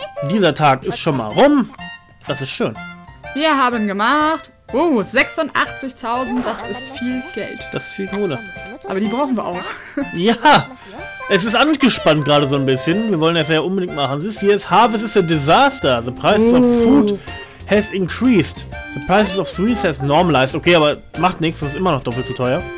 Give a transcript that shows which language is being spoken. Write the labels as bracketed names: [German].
[German] Dieser Tag ist schon mal rum. Das ist schön. Wir haben gemacht. Oh, 86.000. Das ist viel Geld. Das ist viel Kohle. Aber die brauchen wir auch. Ja. Es ist angespannt gerade so ein bisschen. Wir wollen das ja unbedingt machen. Siehst du, hier ist [English] Harvest is a disaster. The prices of food has increased. The prices of sweets has normalized. [German] Okay, aber macht nichts. Das ist immer noch doppelt so teuer.